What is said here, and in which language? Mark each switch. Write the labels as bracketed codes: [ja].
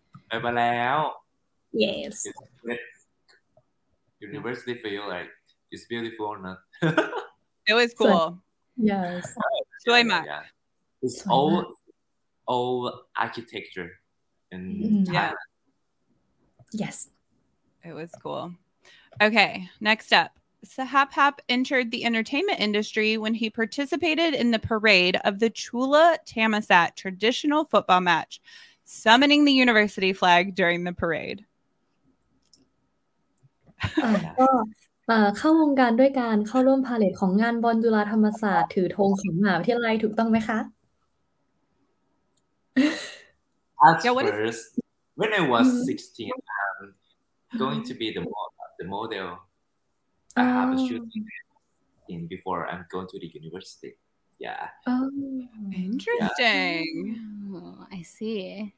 [th] ไปมาแล้ว [en] Yes. University for you, like, it's beautiful or not? It was cool. Yes. Chui Mak. Yeah. It's old architecture in Thailand. Yes. It was cool. Okay, next up. Sahabhap entered the entertainment industry when he participated in the parade of the Chula Tamasat traditional football match, summoning the university flag during the parade. [th] เข้าวงการด้วยการเข้าร่วมพาเลทของงานบอลจุฬาธรรมศาสตร์ถือธงของมหาวิทยาลัยถูกต้องไหมคะ [en] At first, when I was 16, I'm going to be the model. I have a shooting in before I'm going to the university. Yeah. Oh, interesting. Yeah. I see.